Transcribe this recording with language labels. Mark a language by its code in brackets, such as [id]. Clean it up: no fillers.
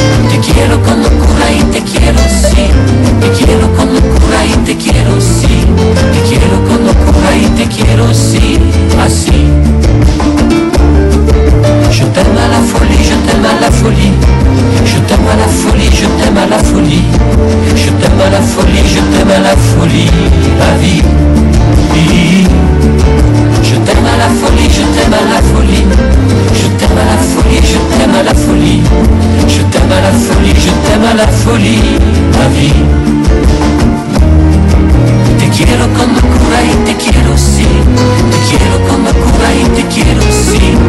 [es] Te quiero con locura y te quiero, sí. Te quiero con locura y te quiero, sí. Te quiero con locura y te quiero, sí. Así. [fr] Je t'aime à la folie, je t'aime à la folie. Je t'aime à la folie, je t'aime à la folie. Je t'aime à la folie, je t'aime à la folie, la vie. Je t'aime à la folie, je t'aime à la folie. Je t'aime à la folie, je t'aime à la folie. Je t'aime à la folie, je t'aime à la folie, la vie. [es] Te quiero con locura y te quiero, sí. Te quiero con locura y te quiero, sí.